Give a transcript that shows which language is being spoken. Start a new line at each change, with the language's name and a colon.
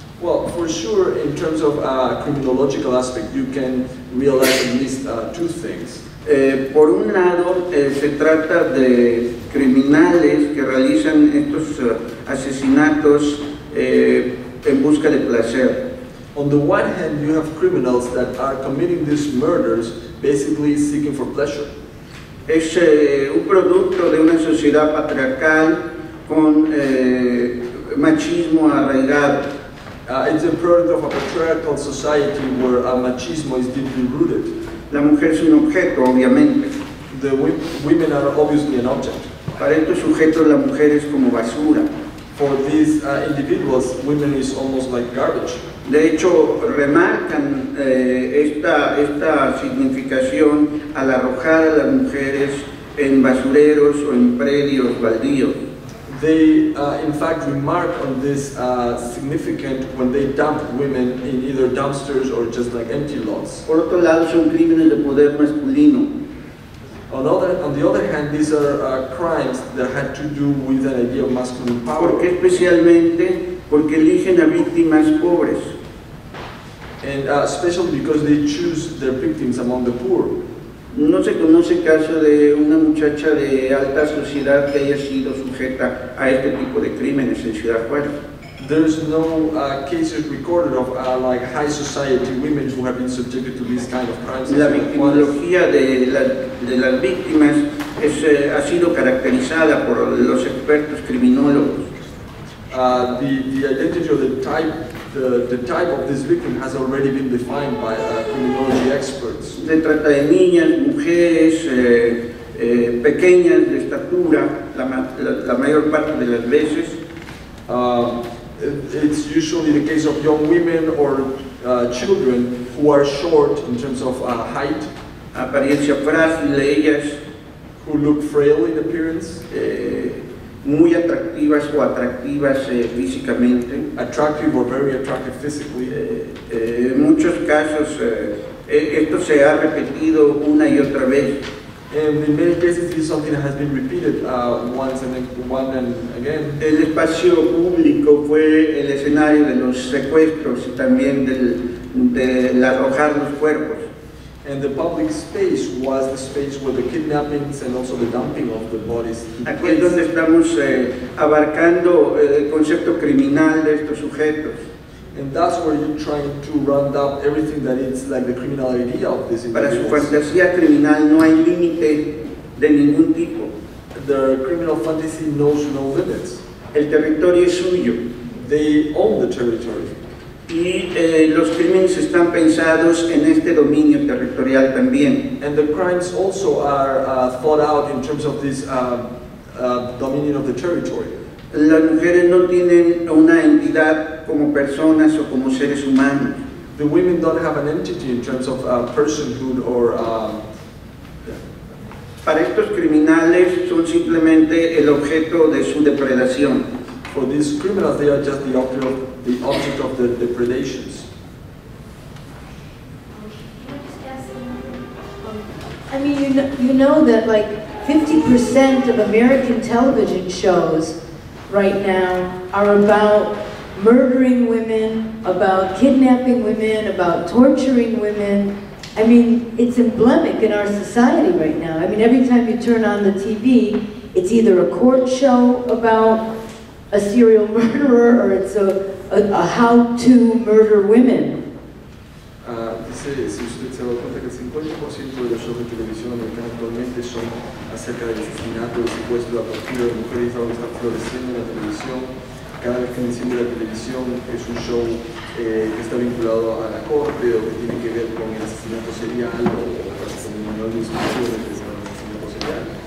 English: Well, for sure, in terms of a criminological aspect, you can realize at least two things.
Spanish: Por un lado, se trata de criminales que realizan estos asesinatos en busca de placer.
English: On the one hand, you have criminals that are committing these murders basically seeking for pleasure.
Spanish: Es un producto de una sociedad patriarcal con machismo arraigado.
English: It's a product of a patriarchal society where machismo is deeply rooted.
Spanish: La mujer es un objeto, obviamente.
English: The women are obviously an object.
Spanish: Para estos sujetos, la mujer es como basura.
English: For these individuals, women is almost like garbage.
Spanish: De hecho, remarcan esta significación al arrojar a las mujeres en basureros o en predios baldíos.
English: They, in fact, remark on this significant when they dump women in either dumpsters or just like empty lots.
Spanish: Por otro lado, son crímenes de poder masculino.
English: On the other hand, these are crimes that had to do with an idea of masculine power.
Spanish: ¿Por qué especialmente? Porque eligen a víctimas pobres.
English: And especially because they choose their victims among the poor.
Spanish: No se conoce caso de una muchacha de alta sociedad que haya sido sujeta a este tipo de crímenes en Ciudad Juárez.
English: There is no cases recorded of like high society women who have been subjected to these kind of crimes.
Spanish: La victimología de las víctimas ha sido caracterizada por los expertos criminólogos.
English: The identity of the type of this victim has already been defined by criminology experts.
Spanish: Se trata de niñas, mujeres, pequeñas de estatura, la mayor parte de las veces.
English: It's usually the case of young women or children who are short in terms of height.
Spanish: Apariencia frágil de ellas.
English: Who look frail in appearance.
Spanish: Muy atractivas o atractivas físicamente.
English: Attractive or very attractive physically.
Spanish: En muchos casos, esto se ha repetido una y otra vez.
English: And in many cases, this is something that has been repeated once and then one and again.
Spanish: El espacio público fue el escenario de los secuestros y también del arrojar los cuerpos.
English: And the public space was the space where the kidnappings and also the dumping of the bodies.
Spanish: Aquí es donde estamos abarcando el concepto criminal de estos sujetos.
English: And that's where you're trying to round up everything that is like the criminal idea of this individual.
Spanish: Para su fantasía criminal no hay límite de ningún tipo.
English: The criminal fantasy knows no limits.
Spanish: El territorio es suyo.
English: They own the territory.
Spanish: Y los crímenes están pensados en este dominio territorial también.
English: And the crimes also are thought out in terms of this dominion of the territory.
Spanish: Las mujeres no tienen una entidad como personas o como seres humanos.
English: The women don't have an entity in terms of personhood or...
Spanish: Para estos criminales son simplemente el objeto de su depredación.
English: For these criminals, they are just the object of the depredations. Can I just ask you, I mean, you know that like ...50% of American television shows right now are about murdering women, about kidnapping women, about torturing women. I mean, it's emblemic in our society right now. I mean, every time you turn on the TV, it's either a court show about a serial murderer or it's a how to murder women.
Spanish: Dice, si usted se da cuenta que el 50% de los shows de televisión americanos actualmente son acerca del asesinato y secuestro a partir de mujeres, algo está floreciendo en la televisión. Cada vez que enciende la televisión es un show que está vinculado a la corte o que tiene que ver con el asesinato serial o con el manual de instrucción del asesinato serial.